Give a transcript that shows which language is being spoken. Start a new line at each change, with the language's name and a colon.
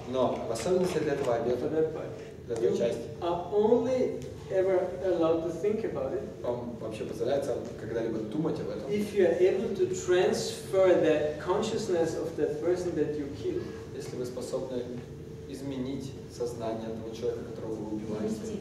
Russian: No, в особенности для этого обета, для этой части.
English: Are only ever allowed to think about it?
Russian: Вам вообще позволяется когда-либо думать об этом?
English: If you are able to transfer that consciousness of that person that you kill.
Russian: Если вы способны изменить сознание того человека, которого вы убиваете.